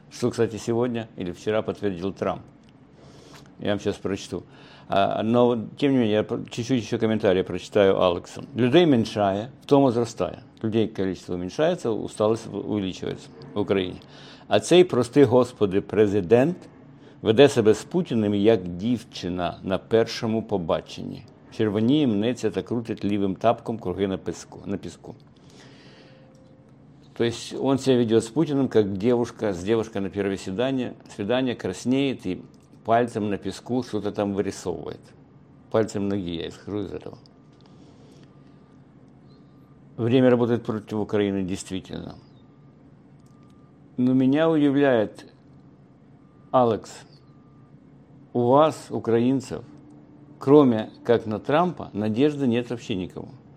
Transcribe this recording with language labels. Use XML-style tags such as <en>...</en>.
<ru>Что, кстати, сегодня или вчера подтвердил Трамп. Я вам сейчас прочту. Но, тем не менее, я чуть-чуть еще комментарии прочитаю Алексу. Людей меньшая, в том возрастая. Людей количество уменьшается, усталость увеличивается в Украине.</ru> <uk>А цей простий господи президент веде себе з Путіним, як дівчина на першому побаченні. Червоніє, мнеться та крутить лівим тапком круги на піску.</uk> <ru>То есть он себя ведет с Путиным, как девушка, с девушкой на первое свидание краснеет и пальцем на песку что-то там вырисовывает. Пальцем ноги, я исхожу из этого. Время работает против Украины, действительно. Но меня удивляет, Алекс, у вас, украинцев, кроме как на Трампа, надежды нет вообще никого.</ru>